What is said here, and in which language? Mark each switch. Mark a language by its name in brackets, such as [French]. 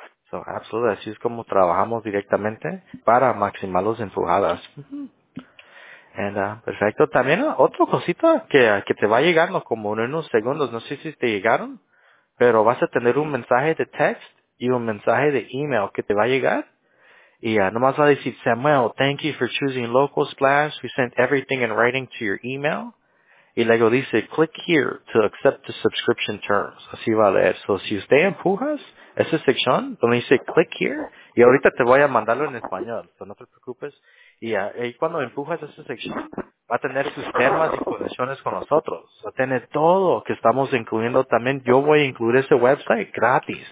[English] So, absolutely, [Spanish] así es como trabajamos directamente para maximar las empujadas. And, perfecto. También otra cosita que te va a llegar como en unos segundos, no sé si te llegaron, pero vas a tener un mensaje de text y un mensaje de email que te va a llegar. Y nomás va a decir, Samuel, [English] thank you for choosing Local Splash. We sent everything in writing to your email. [Spanish] Y luego dice, [English] click here to accept the subscription terms. [Spanish] Así va a leer. So, si usted empujas esa sección donde dice click here, y ahorita te voy a mandarlo en español, so no te preocupes. Y ahí cuando empujas esa sección, va a tener sus temas y conexiones con nosotros. Va a tener todo que estamos incluyendo también. Yo voy a incluir ese website gratis.